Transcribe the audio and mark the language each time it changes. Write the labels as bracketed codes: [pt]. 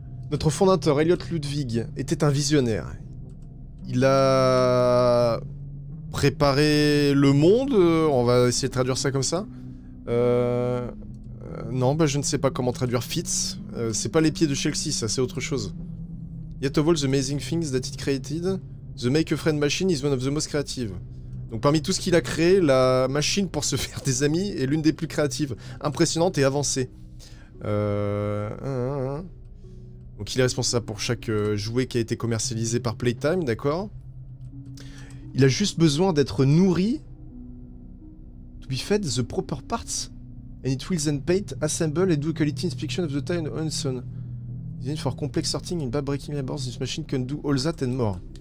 [fr] Notre fondateur, Elliot Ludwig, était un visionnaire. Il a... préparer le monde, on va essayer de traduire ça comme ça. Non, je ne sais pas comment traduire Fitz. C'est pas les pieds de Chelsea, ça c'est autre chose. [en] Yet of all the amazing things that it created, the Make a Friend machine is one of the most creative. [fr] Donc parmi tout ce qu'il a créé, la machine pour se faire des amis est l'une des plus créatives, impressionnante et avancée. Donc il est responsable pour chaque jouet qui a été commercialisé par Playtime, d'accord? Il a juste besoin d'être nourri. [en] To be fed the proper parts. And it will then paint, assemble, and do a quality inspection of the tile on its own. Designed for complex sorting and bad breaking labors, this machine can do all that and more.